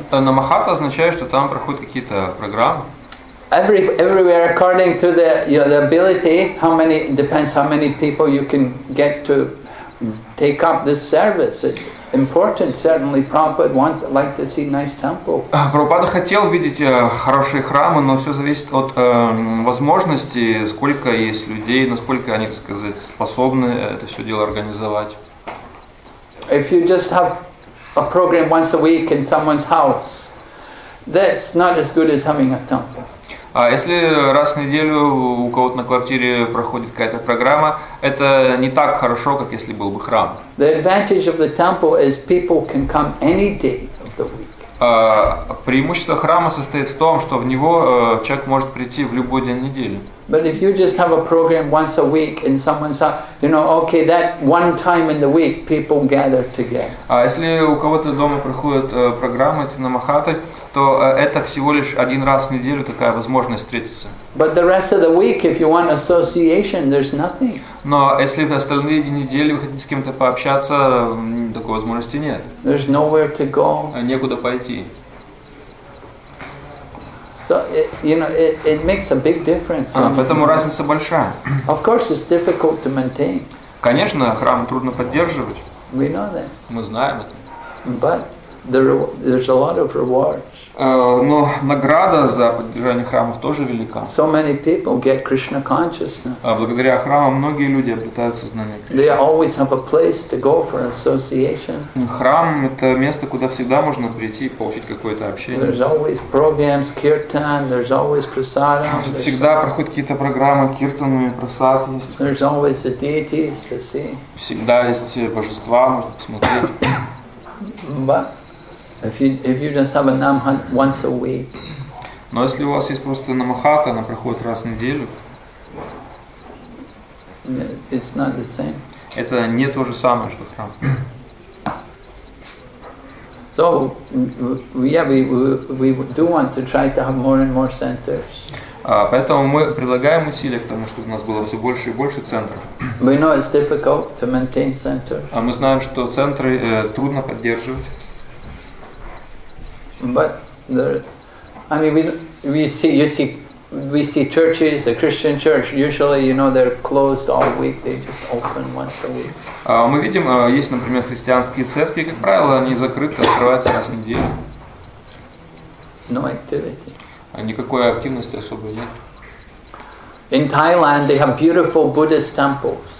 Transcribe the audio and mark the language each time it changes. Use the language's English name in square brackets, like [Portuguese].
[Russian] Namahata означает, что там проходят какие-то программы. [English] Everywhere according to the, you know, the ability, how many depends how many people you can get to take up this service. It's important, certainly. Prabhupada want like to see nice temple. [Russian] Prabhupada хотел видеть хорошие храмы, но все зависит от возможности, сколько есть людей, насколько они, так сказать, способны это все дело организовать. [English] If you just have a program once a week in someone's house, that's not as good as having a temple. [Russian] А если раз в неделю у кого-то на квартире проходит какая-то программа, это не так хорошо, как если был бы храм. [English] The advantage of the temple is people can come any day of the week. [Russian] Преимущество храма состоит в том, что в него человек может прийти в любой день недели. [English] But if you just have a program once a week in someone's house, you know, okay, that one time in the week people gather together. [Russian] А если у кого-то дома проходит программа эти намахаты, то это всего лишь один раз в неделю такая возможность встретиться. [English] But the rest of the week, if you want association, there's nothing. [Russian] Но если в остальные дни недели вы хотите с кем-то пообщаться, такой возможности нет. [English] There's nowhere to go. [Russian] Некуда пойти. [English] So it makes a big difference. [Russian] Поэтому разница большая. [English] Of course, it's difficult to maintain. [Russian] Конечно, храм трудно поддерживать. [English] We know that. [Russian] Мы знаем это. [English] But there's a lot of rewards. [Russian] Но награда за поддержание храмов тоже велика. [English] So many people get Krishna consciousness. [Russian] Благодаря храмам многие люди обретают сознание Кришны. [English] They always have a place to go for association. [Russian] Храм — это место, куда всегда можно прийти и получить какое-то общение. [English] There's always programs, kirtan, there's always prasad. [Russian] Всегда проходят какие-то программы, киртаны, прасад есть. [English] There's always the deities to see. [Russian] Всегда есть божества, можно посмотреть. [English] If you just have a namahat once a week. [Russian] Но если у вас есть просто намахата, она проходит раз в неделю. [English] It's not the same. [Russian] Это не то же самое, что храм. [English] So, yeah, we do want to try to have more and more centers. [Russian] Поэтому мы прилагаем усилия к тому, чтобы у нас было все больше и больше центров. [English] We know it's difficult to maintain centers. [Russian] А мы знаем, что центры трудно поддерживать. [English] But there, I mean, we see churches, the Christian church. Usually, you know, they're closed all week. They just open once a week. [Russian] Мы видим, есть, например, христианские церкви, как правило, они закрыты, открываются раз в неделю. [English] No activity. [Russian] Никакой активности особо нет. [English] In Thailand, they have beautiful Buddhist temples.